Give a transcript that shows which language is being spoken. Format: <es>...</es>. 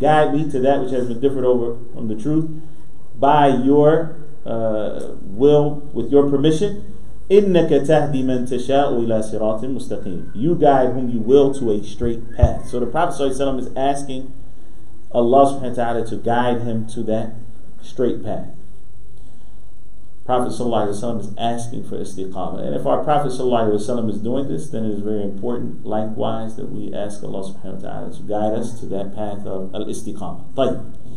<en>Guide me to that which has been differed over from the truth by your will, with your permission.</en> <ar>إنك تهدي من تشاء إلى صراط مستقيم.</ar> <en>You guide whom you will to a straight path. So the Prophet ﷺ is asking Allah subhanahu wa ta'ala to guide him to that straight path. Prophet sallallahu alaihi wasallam is asking for istiqamah. And if our Prophet sallallahu alaihi wasallam is doing this, then it is very important, likewise, that we ask Allah subhanahu wa ta'ala to guide us to that path of al-istiqamah. Tayyib.</en>